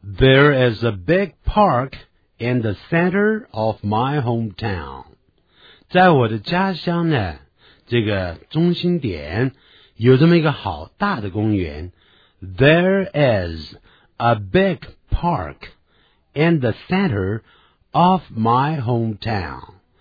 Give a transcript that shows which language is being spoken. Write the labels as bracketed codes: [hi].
[en] There is a big park in the center of my hometown。 [zh] 在我的家乡呢，这个中心点有这么一个好大的公园。 [en] There is a big park in the center of my hometown。